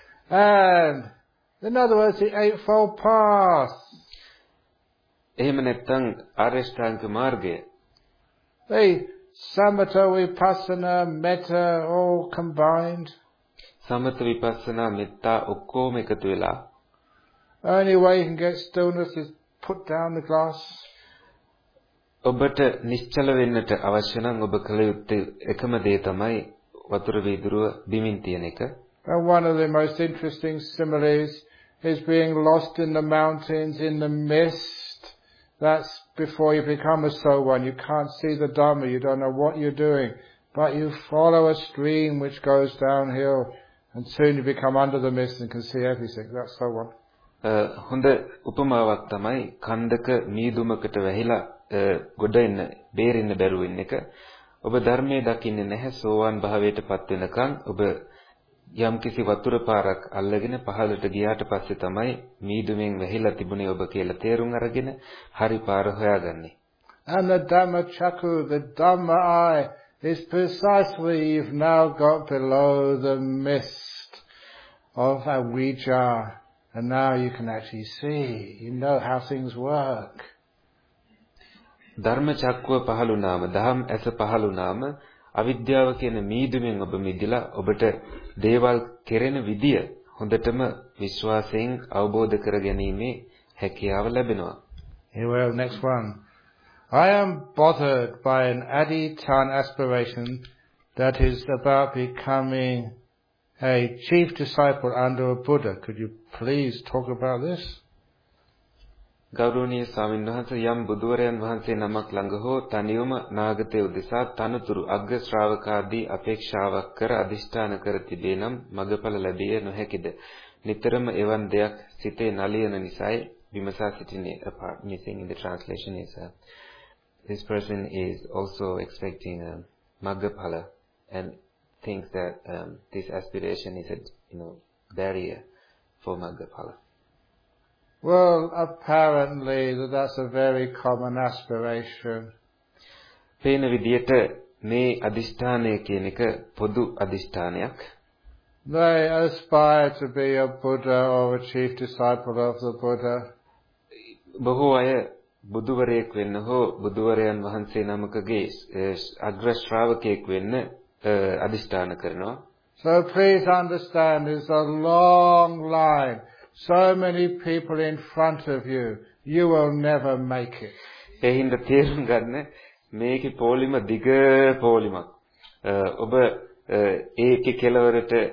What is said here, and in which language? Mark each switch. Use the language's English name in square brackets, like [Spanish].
[English] And in other words, the Eightfold Path. [Sinhala] එහෙම නැත්නම් ආර්ය අෂ්ටාංග මාර්ගය. [English] Hey, samatha, vipassana, metta, all combined. [Sinhala] Samatha, vipassana, metta, ඔක්කොම එකතු වෙලා. [English] Only way you can get stillness is put down the glass. [Sinhala] ඔබට නිශ්චල වෙන්නට අවශ්‍ය නම් ඔබ කළ යුත්තේ එකම දේ තමයි වතුර වීදුරුව බිමින් තියන එක. [English] And one of the most interesting similes is being lost in the mountains in the mist. That's before you become a Sowan. You can't see the Dhamma, you don't know what you're doing, but you follow a stream which goes downhill, and soon you become under the mist and can see everything. That's Sowan. [Sinhala] හොඳ උපමාවක් තමයි කන්දක මීදුමකට වැහිලා ගොඩ එන්න බේරෙන්න බැරුව ඉන්න එක. ඔබ ධර්මයේ දකින්නේ නැහැ සෝවන් භාවයට පත් වෙනකන් ඔබ යම්කිසි වතුර පාරක් අල්ලගෙන පහළට ගියාට පස්සේ තමයි මීදුමෙන් වැහිලා තිබුණේ ඔබ කියලා තේරුම් අරගෙන හරි පාර හොයාගන්නේ. [English] And the Dhamma Chakku, the Dhamma Eye, is precisely you've now got below the mist of avijja, and now you can actually see, you know how things work. [Sinhala] ධර්ම චක්කව පහළුණාම, දහම් ඇස පහළුණාම අවිද්‍යාව කියන මීදුමෙන් ඔබ මිදිලා ඔබට දේවල් කෙරෙන විදිය හොඳටම විශ්වාසයෙන් අවබෝධ කරගැනීමේ හැකියාව ලැබෙනවා. [English] Well, next one. I am bothered by an Adi-chan aspiration that is about becoming a chief disciple under a Buddha. Could you please talk about this? [Sinhala] ගෞරවනීය ස්වාමීන් වහන්ස යම් බුදුවරයන් වහන්සේ නමක් ළඟ හෝ තනියම නාගතේ උදෙසා තනතුරු අග්‍ර ශ්‍රාවකාදී අපේක්ෂාවක් කර අදිෂ්ඨාන කර තිබේ නම් මගඵල ලැබිය නොහැකිද? නිතරම එවන් දෙයක් සිතේ නලියන නිසායි විමසා සිටින්නේ. [English] Apart missing in the translation is this person is also expecting a magapala and thinks that this aspiration is a barrier for magapala. Well, apparently that's a very common aspiration. [Sinhala] පේන විදිහට මේ අදිෂ්ඨානය කියන එක පොදු අදිෂ්ඨානයක්. [English] They aspire to be a Buddha or a chief disciple of the Buddha. [Sinhala] බොහෝ අය බුදුවරයෙක් වෙන්න හෝ බුදුවරයන් වහන්සේ නමකගේ අග්‍ර ශ්‍රාවකයෙක් වෙන්න අදිෂ්ඨාන කරනවා. [English] So please understand, it's a long line. So many people in front of you, you will never make it. [Sinhala] එහෙනම් තේරුම් ගන්න මේකේ පොලිම දිග පොලිමක්. ඔබ ඒකේ කෙලවරට